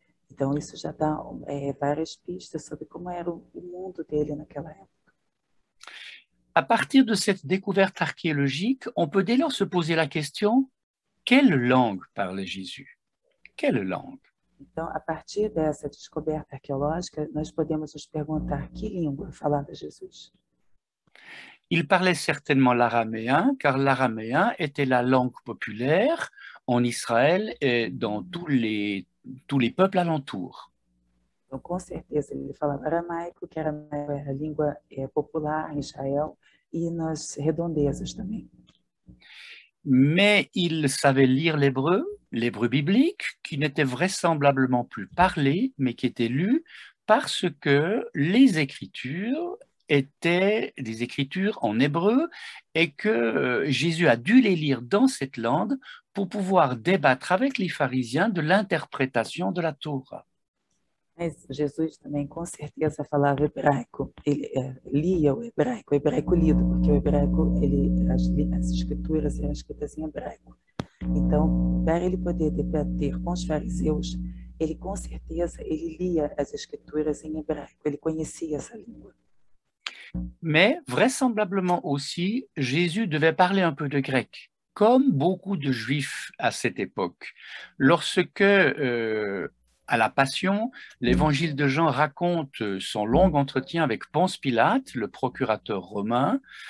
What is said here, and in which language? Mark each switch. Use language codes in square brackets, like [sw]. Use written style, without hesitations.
[pt] Então, isso já dá várias pistas sobre como era o mundo dele naquela época. [fr] À partir de cette découverte archéologique, on peut dès lors se poser la question, quelle langue parlait Jésus? Quelle langue? [pt] Então, à partir dessa descoberta arqueológica, nós podemos nos perguntar que língua falava Jesus? [fr] Il parlait certainement l'araméen, car l'araméen était la langue populaire en Israël et dans tous les peuples alentours. [pt] Então, com certeza, ele falava aramaico, que era a língua popular em Israel e nas redondezas também. [fr] Mais il savait lire l'hébreu, l'hébreu biblique, qui n'était vraisemblablement plus parlé, mais qui était lu, parce que les écritures étaient des écritures en hébreu et que Jésus a dû les lire dans cette langue pour pouvoir débattre avec les pharisiens de l'interprétation de la Torah. [pt] Mas Jesus também com certeza falava hebraico, ele lia o hebraico lido, porque o hebraico, as escrituras eram escritas em hebraico. Então, para ele poder debater com os fariseus, ele com certeza, ele lia as escrituras em hebraico, ele conhecia essa língua. [fr] Mas, vraisemblablement aussi, Jésus devait parler un peu de grec. Comme beaucoup de juifs à cette époque. Lorsque... À la Passion, l'évangile de Jean raconte son long entretien avec Ponce Pilate, le procurateur romain.